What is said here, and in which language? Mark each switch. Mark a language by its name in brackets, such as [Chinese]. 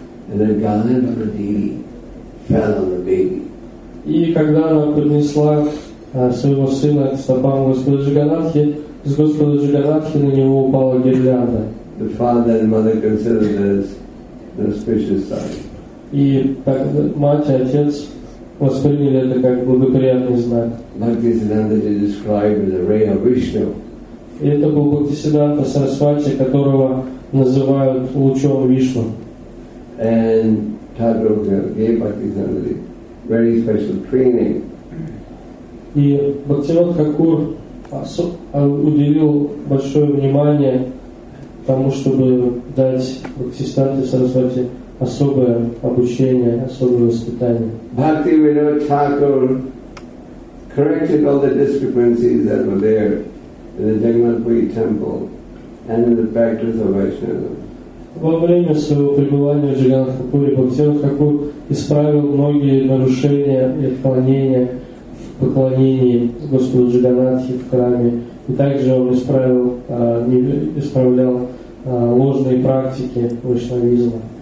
[English] And then Garland of the deity fell on the baby. [Russian] И когда она поднесла своего сына к стопам Господа Джаганнатхи, с Господа Джаганнатхи на него упала гирлянда. [English] The father and mother considered this an auspicious sign. [Russian] И так мать и отец восприняли это как благоприятный знак. [English] Бхактисиддханта Ji described as a ray of Vishnu. [Russian] И это был Бхактисиддханта Сарасвати, которого называют лучом Вишну. [English] And Thakur gave Bhaktisiddhanta very special training. [Russian] И Бхактивинод Такур уделил большое внимание тому, чтобы дать Бхактисиддханте Сарасвати особое обучение, особое воспитание. [English] Бхактивинода Тхакур corrected all the discrepancies that were there in the Jagannathpuri temple and in the practice of Vaishnavism. [Russian] Во время своего пребывания в Джаганнатхапуре Бхактисиддханта Тхакур исправил многие нарушения и отклонения в поклонении Господу Джаганнатхи в храме. И также он исправлял ложные практики вайшнавизма.